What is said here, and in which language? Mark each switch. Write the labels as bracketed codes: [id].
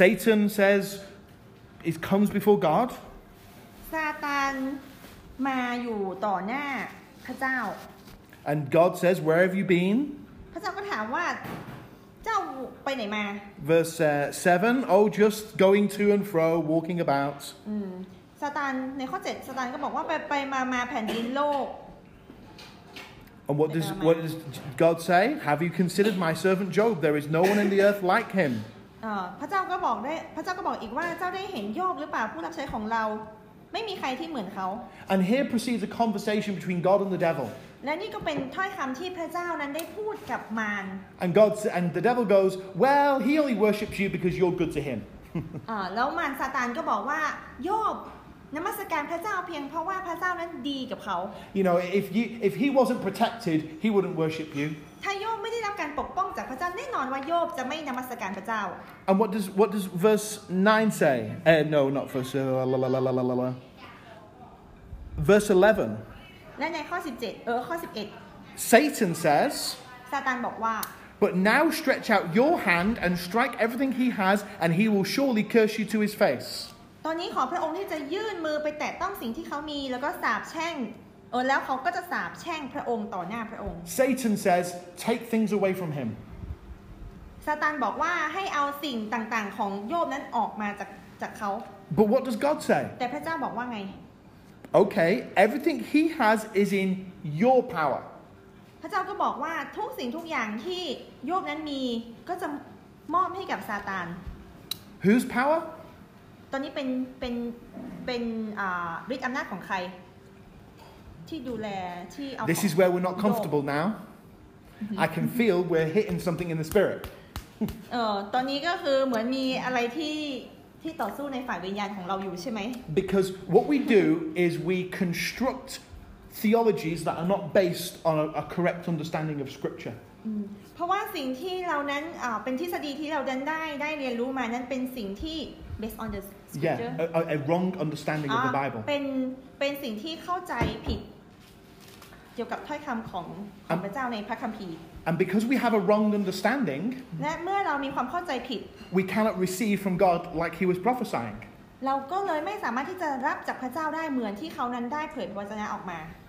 [en] Satan says it comes before God [th] ซาตานมาอยู่ต่อหน้าพระเจ้า [en] And God says where have you been [th] พระเจ้าก็ถามว่าเจ้าไปไหนมา [en] Verse 7 Oh just going to and fro walking about [th] ซาตานในข้อ7ซาตานก็บอกว่าไปมาแผ่นดินโลก [en] And what does God say Have you considered my servant Job There is no one in the earth like him [th] พระเจ้าก็บอกได้พระเจ้าก็บอกอีกว่าเจ้าได้เห็นโยบหรือเปล่าผู้รับใช้ของเราไม่มีใครที่เหมือนเขา [en] And here proceeds a conversation between God and the devil. [th] และนี่ก็เป็นถ้อยคำที่พระเจ้านั้นได้พูดกับมาร [en] And God and the devil goes, well, he only worships you because you're good to him. [th] แล้วมารซาตานก็บอกว่าโยบนมัสการพระเจ้าเพียงเพราะว่าพระเจ้านั้นดีกับเขา [en] You know, if he wasn't protected, he wouldn't worship you. [th] ถ้าโยบไม่ได้รับการปกป้องจากพระเจ้าแน่นอนว่าโยบจะไม่นมัสการพระเจ้า [en] And what does verse 9 say? No, not verse la la la la la la la. Verse [th] 11. และในข้อ17ข้อ11 [en] Satan says. [th] ซาตานบอกว่า [en] But now stretch out your hand and strike everything he has, and he will surely curse you to his face. [th] ตอนนี้ขอพระองค์ที่จะยื่นมือไปแตะต้องสิ่งที่เขามีแล้วก็สาปแช่งแล้วเขาก็จะสาปแช่งพระองค์ต่อหน้าพระองค์ [en] Satan says, take things away from him. [th] ซาตานบอกว่าให้เอาสิ่งต่างๆของโยบนั้นออกมาจากเขา [en] But what does God say? [th] แต่พระเจ้าบอกว่าไง [en] Okay, everything he has is in your power. [th] พระเจ้าก็บอกว่าทุกสิ่งทุกอย่างที่โยบนั้นมีก็จะมอบให้กับซาตาน [en] Whose power? [th] ตอนนี้เป็นฤทธิ์อำนาจของใครที่ดูแลที่เอา [en] This is where we're not comfortable now. I can feel we're hitting something in the spirit. [th] ตอนนี้ก็คือเหมือนมีอะไรที่ต่อสู้ในฝ่ายวิญญาณของเราอยู่ใช่ไหม [en] Because what we do is we construct theologies that are not based on a correct understanding of scripture [th] เพราะว่าสิ่งที่เรานั้นเป็นทฤษฎีที่เราได้เรียนรู้มานั้นเป็นสิ่งที่ [en] based on the scripture Yeah, a wrong understanding of the Bible [th] เป็นสิ่งที่เข้าใจผิดเกี่ยวกับถ้อยคำของพระเจ้าในพระคัมภีร์ [en] And because we have a wrong understanding, [th] และเมื่อเรามีความเข้าใจผิด [en] we cannot receive from God like He was prophesying. [th] เราก็เลยไม่สามารถที่จะรับจากพระเจ้าได้เหมือนที่เขานั้นได้เผยพระวจนะออกมา